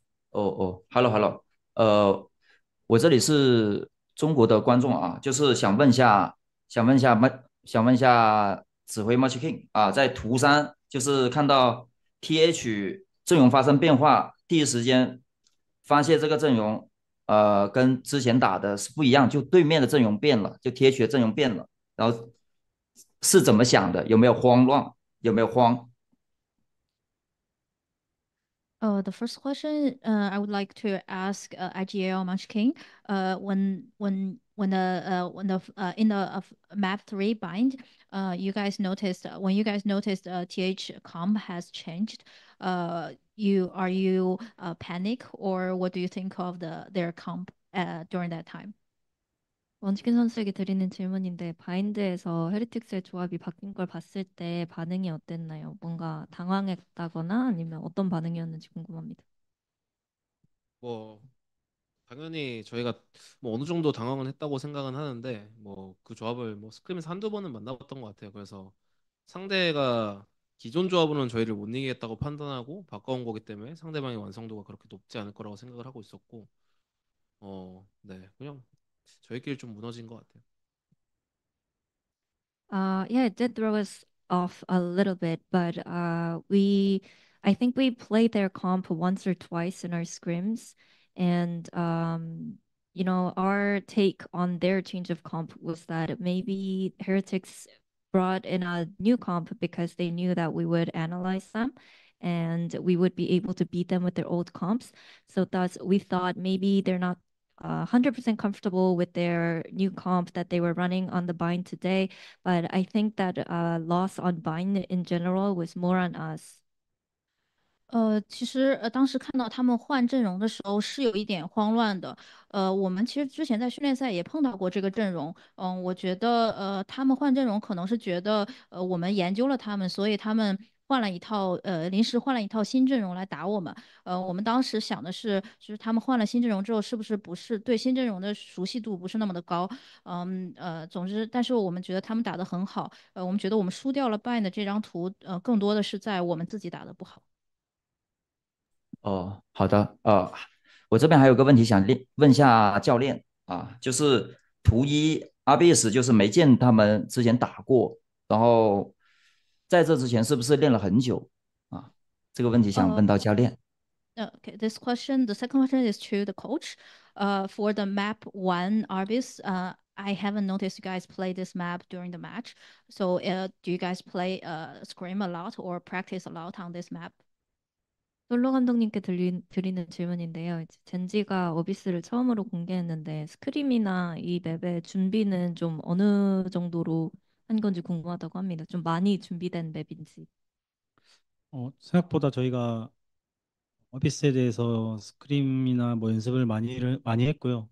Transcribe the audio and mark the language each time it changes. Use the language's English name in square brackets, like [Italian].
[Chinese] 哦哦，hello，我这里是中国的观众啊，就是想问一下指挥 Much King 啊，在图三就是看到 TH 阵容发生变化，第一时间发现这个阵容，跟之前打的是不一样，就对面的阵容变了，就 TH 的阵容变了，然后是怎么想的？有没有慌乱？有没有慌？ [English] The first question, I would like to ask IGL Munchkin, when the in the map 3 bind, you guys noticed TH comp has changed, are you panic, or what do you think of their comp during that time? [Korean] 원치킨 선수에게 드리는 질문인데 바인드에서 헤레틱스의 조합이 바뀐 걸 봤을 때 반응이 어땠나요? 뭔가 당황했다거나 아니면 어떤 반응이었는지 궁금합니다. 뭐 당연히 저희가 뭐 어느 정도 당황은 했다고 생각은 하는데 뭐그 조합을 뭐 스크림에서 한두 번은 만나봤던 것 같아요. 그래서 상대가 기존 조합으로는 저희를 못 이기겠다고 판단하고 바꿔온 거기 때문에 상대방의 완성도가 그렇게 높지 않을 거라고 생각을 하고 있었고 네, 그냥 저희끼리 좀 무너진 것 같아요. [English] Yeah, it did throw us off a little bit, but I think we played their comp once or twice in our scrims, and our take on their change of comp was that maybe Heretics brought in a new comp because they knew that we would analyze them and we would be able to beat them with their old comps. So thus we thought maybe they're not 100% comfortable with their new comp that they were running on the bind today, but I think that loss on bind in general was more on us. [Chinese] 其实当时看到他们换阵容的时候是有一点慌乱的。我们其实之前在训练赛也碰到过这个阵容。我觉得他们换阵容可能是觉得我们研究了他们，所以他们。换了一套，临时换了一套新阵容来打我们。我们当时想的是，就是他们换了新阵容之后，是不是不是对新阵容的熟悉度不是那么的高？总之，但是我们觉得他们打得很好。我们觉得我们输掉了 Bind 的这张图，更多的是在我们自己打得不好。哦，好的，我这边还有个问题想问一下教练啊，就是图一 RBS 就是没见他们之前打过，然后在这之前是不是练了很久啊？这个问题想问到教练。 [English] Okay, the second question is to the coach. For the map 1 Arbis, I haven't noticed you guys play this map during the match. So, do you guys play scrim a lot or practice a lot on this map? [Korean] 솔로 감독님께 드리는 질문인데요. 젠지가 어비스를 처음으로 공개했는데 스크림이나 이 맵의 준비는 좀 어느 정도로 한 건지 궁금하다고 합니다. 좀 많이 준비된 맵인지. 생각보다 저희가 어비스에 대해서 스크림이나 뭐 연습을 많이 했고요.